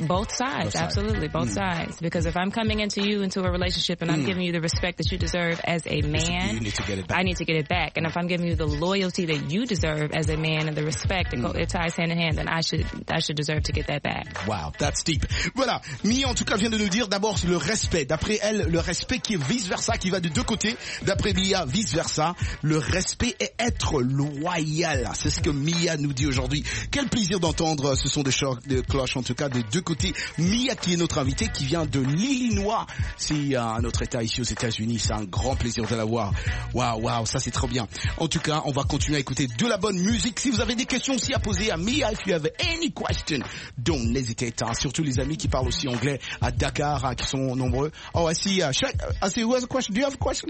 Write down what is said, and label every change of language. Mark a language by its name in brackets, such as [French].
[English] Both sides, absolutely. both sides. Because if I'm coming into you into a relationship and I'm giving you the respect that you deserve as a man, you need to get it back. I need to get it back. And if I'm giving you the loyalty that you deserve as a man and the respect that it ties hand in hand, then I should deserve to get that back. Wow, that's deep. Voilà. [French] Mia, en tout cas, vient de nous dire d'abord le respect. D'après elle, le respect qui est vice-versa, qui va de deux côtés. D'après Mia, vice-versa, le respect est être loyal. C'est ce que Mia nous dit aujourd'hui. Quel plaisir d'entendre ce son de cloche, en tout cas, des deux côtés. Mia, qui est notre invitée, qui vient de l'Illinois. C'est un autre état ici aux États-Unis. C'est un grand plaisir de la voir. Waouh, waouh, ça c'est trop bien. En tout cas, on va continuer à écouter de la bonne musique. Si vous avez des questions aussi à poser à Mia, [English] if you have any question, don't hesitate. [French] Hein. Surtout les amis qui parlent aussi anglais à Dakar, hein, qui sont nombreux. [English] Oh, I see, who has a question? Do you have a question?